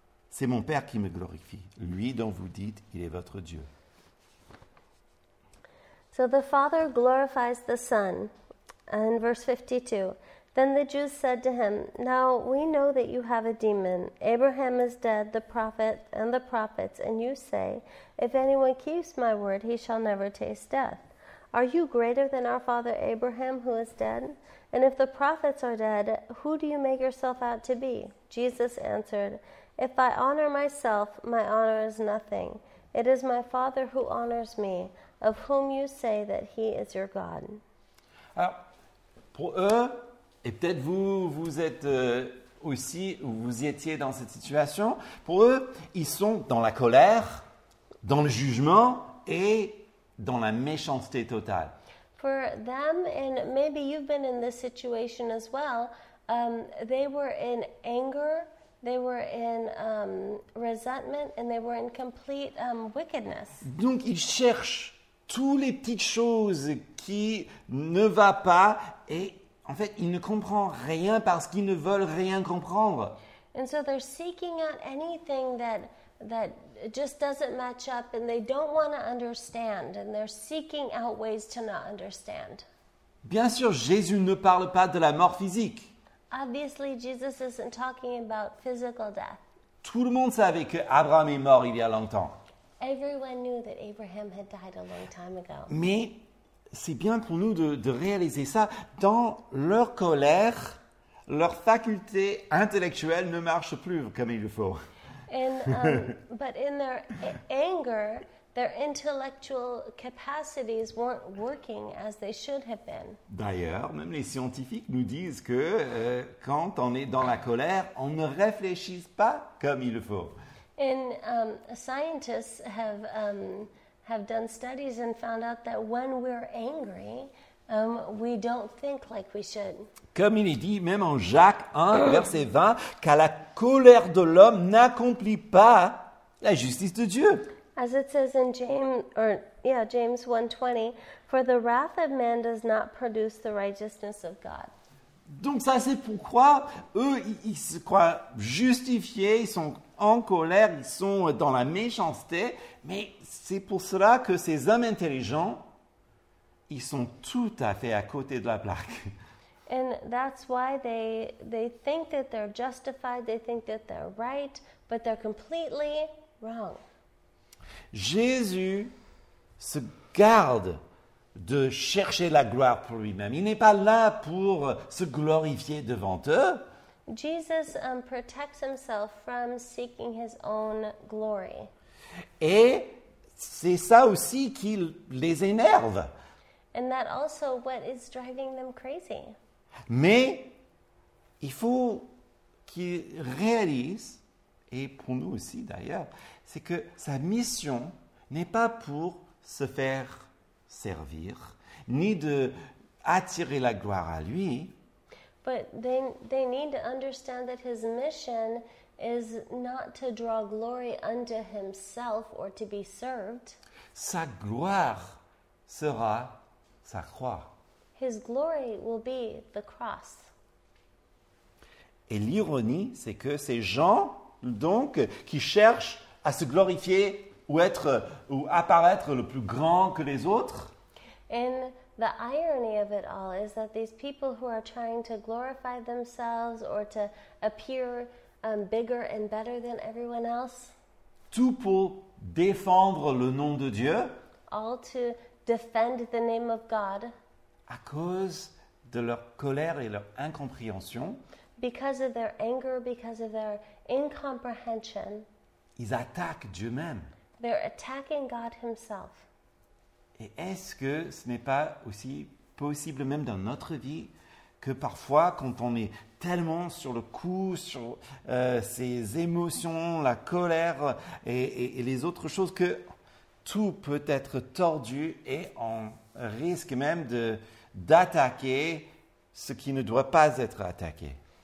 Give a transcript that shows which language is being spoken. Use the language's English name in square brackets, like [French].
[French] C'est mon Père qui me glorifie, lui dont vous dites, il est votre Dieu. [English] So the Father glorifies the Son. And verse 52, then the Jews said to him, now we know that you have a demon. Abraham is dead, the prophet and the prophets, and you say, if anyone keeps my word, he shall never taste death. Are you greater than our father Abraham, who is dead? And if the prophets are dead, who do you make yourself out to be? Jesus answered, if I honor myself, my honor is nothing. It is my Father who honors me, of whom you say that he is your God. [French] Alors, pour eux, et peut-être vous êtes aussi, vous étiez dans cette situation, pour eux, ils sont dans la colère, dans le jugement et dans la méchanceté totale. [English] For them, and maybe you've been in this situation as well, they were in anger, they were in resentment, and they were in complete wickedness. [French] Donc, ils cherchent toutes les petites choses qui ne va pas, et en fait, ils ne comprennent rien parce qu'ils ne veulent rien comprendre. [English] And so they're seeking out anything that just doesn't match up, and they don't want to understand, and they're seeking out ways to not understand. [French] Bien sûr, Jésus ne parle pas de la mort physique. [English] Obviously, Jesus isn't talking about physical death. [French] Tout le monde savait que Abraham est mort il y a longtemps. [English] Everyone knew that Abraham had died a long time ago. [French] Mais c'est bien pour nous de réaliser ça. Dans leur colère, leur faculté intellectuelle ne marche plus comme il le faut. [English] But in their anger, their intellectual capacities weren't working as they should have been. [French] D'ailleurs, même les scientifiques nous disent que quand on est dans la colère, on ne réfléchit pas comme il le faut. [English] And scientists have done studies and found out that when we're angry, we don't think like we should. [French] Comme il est dit, même en Jacques 1, verset 20, car la colère de l'homme n'accomplit pas la justice de Dieu. [English] As it says in James 1:20, for the wrath of man does not produce the righteousness of God. [French] Donc ça, c'est pourquoi eux, ils se croient justifiés, ils sont en colère, ils sont dans la méchanceté, mais c'est pour cela que ces hommes intelligents, ils sont tout à fait à côté de la plaque. [English] And that's why they think that they're justified, they think that they're right, but they're completely wrong. [French] Jésus se garde de chercher la gloire pour lui-même. Il n'est pas là pour se glorifier devant eux. [English] Jesus protects himself from seeking his own glory. [French] Et c'est ça aussi qui les énerve. [English] And that also what is driving them crazy. [French] Mais il faut qu'ils réalisent, et pour nous aussi d'ailleurs, c'est que sa mission n'est pas pour se faire servir, ni de attirer la gloire à lui. [English] But they need to understand that his mission is not to draw glory unto himself or to be served. [French] Sa gloire sera sa croix. [English] His glory will be the cross. [French] Et l'ironie, c'est que ces gens, donc, qui cherchent à se glorifier ou être ou apparaître le plus grand que les autres. [English] And the irony of it all is that these people who are trying to glorify themselves or to appear bigger and better than everyone else. [French] Tout pour défendre le nom de Dieu. [English] All to defend the name of God. [French] À cause de leur colère et leur incompréhension. [English] Because of their anger, because of their incomprehension. [French] Ils attaquent Dieu même. [English] They're attacking God himself. [French] Et est-ce que ce n'est pas aussi possible même dans notre vie que parfois, quand on est tellement sur le coup, sur ses émotions, la colère et les autres choses, que tout peut être tordu et on risque même d'attaquer ce qui ne doit pas être attaqué.